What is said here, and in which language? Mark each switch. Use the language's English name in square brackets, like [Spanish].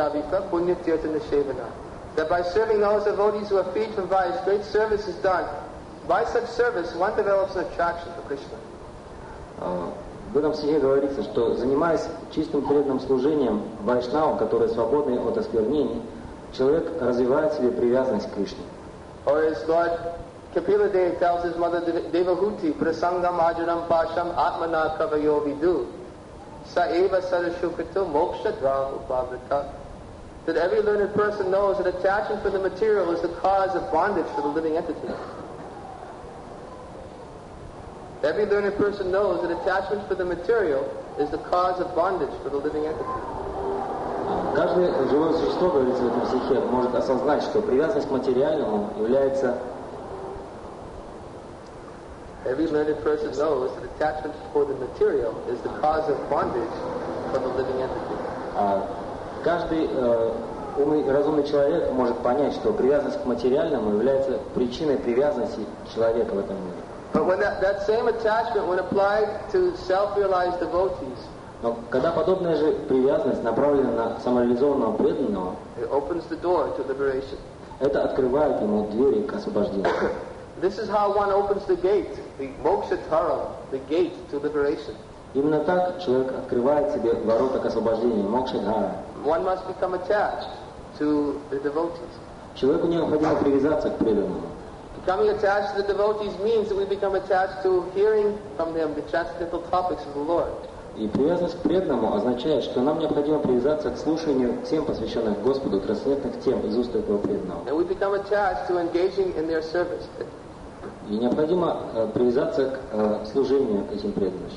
[English] That by serving those devotees who are freed from vice, great service is done. By such service, one develops an attraction for Krishna. [Russian] В этом стихе говорится, что занимаясь чистым преданным служением вайшнавам, которые свободны от осквернений, человек развивает себе привязанность к Кришне. [English] Or is God Kapila Dev tells his mother Devahuti, [Sanskrit] Prasangam Ajaram Pasham Atmana Kavayo Vidu, Sa Eva Sarashukrita Moksha Dram Upavrita. [English] That every learned person knows that attachment for the material is the cause of bondage for the living entity. Every learned person knows that attachment for the material is the cause of bondage for the living entity. [Russian] Каждое живое существо, говорится в этом стихе, может осознать, что привязанность к материальному является. [English] Every learned person knows that attachment for the material is the cause of bondage for the living entity. [Russian] Каждый умный и разумный человек может понять, что привязанность к материальному является причиной привязанности человека в этом мире. [English] But when that same attachment, when applied to self-realized devotees, [Russian] но когда подобная же привязанность направлена на самореализованного преданного, [English] it opens the door to liberation. [Russian] Это открывает ему двери к освобождению. [English] This is how one opens the gate, the moksha dvara, the gate to liberation. [Russian] Именно так человек открывает себе ворота к освобождению, мокша дхара. [English] One must become attached to the devotees. [Russian] Человеку необходимо привязаться к преданному. [English] Becoming attached to the devotees means that we become attached to hearing from them the transcendental topics of the Lord. [Russian] И привязанность к преданному означает, что нам необходимо привязаться к слушанию тем, посвященных Господу, трансцендентных тем из уст этого преданного. [English] And we become attached to engaging in their service. [Russian] И необходимо привязаться к служению этим преданным.